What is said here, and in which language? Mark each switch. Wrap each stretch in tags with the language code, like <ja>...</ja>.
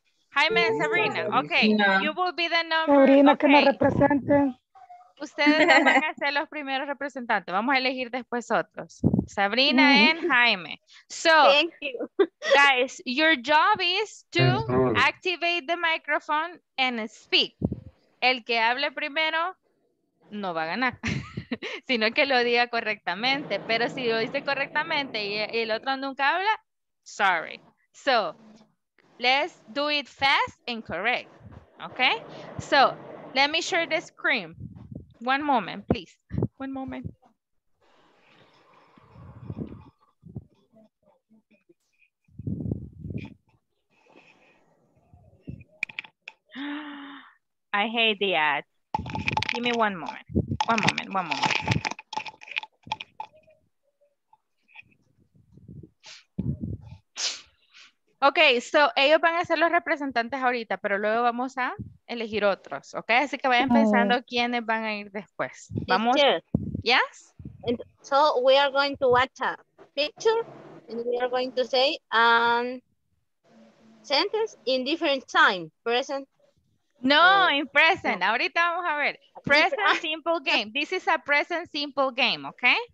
<en>Jaime and Sabrina, okay. You will be the number. Sabrina, okay.</en> <es>Que me represente. Ustedes van a ser los primeros representantes. Vamos a elegir después otros.</es> <en>Sabrina and Jaime. So, thank you. Guys, your job is to activate the microphone and speak.</en> <es>El que hable primero no va a ganar, sino que lo diga correctamente. Pero si lo dice correctamente y el otro nunca habla, sorry.</es> <en>So, let's do it fast and correct. Okay? So, let me share the screen. One moment, please. One moment. I hate the ad. Give me one moment. One moment, one moment. Okay, so</en> <es>ellos van a ser los representantes ahorita, pero luego vamos a elegir otros, ¿ok? Así que vayan pensando quiénes van a ir después. Vamos. Yes.</es> <en>And so we are going to watch a picture and we are going to say sentence in different time, present. No, in present. No.</en> <es>Ahorita vamos a ver.</es> <en>Present simple game. This is a present simple game, ¿ok?</en>